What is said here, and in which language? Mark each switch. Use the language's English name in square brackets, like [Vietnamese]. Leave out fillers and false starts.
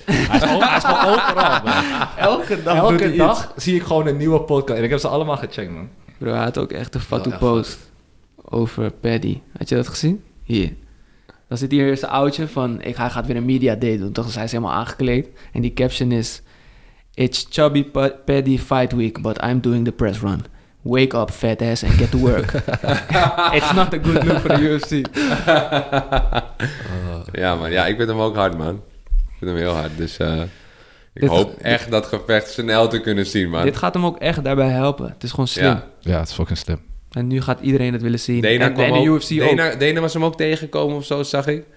[Dutch] Hij is gewoon overal, man. Elke dag zie ik gewoon een nieuwe podcast. En ik heb ze allemaal gecheckt, man. Bro, hij had ook echt een fatu post over Paddy. Had je dat gezien? Hier. Dan zit hier eerst een oudje van, hij gaat weer een media day doen. Toch, hij is helemaal aangekleed. En die caption is, [English] it's chubby Paddy fight week, but I'm doing the press run. Wake up, fat ass, and get to work. It's not a good look for the UFC. [Dutch] Ja, man. Ja, ik vind hem ook hard, man. Ik vind hem heel hard. Dus ik hoop echt dat gevecht snel te kunnen zien, man. Dit gaat hem ook echt daarbij helpen. Het is gewoon slim. Ja, het is fucking slim. En nu gaat iedereen het willen zien. Dana was hem ook tegengekomen of zo, zag ik.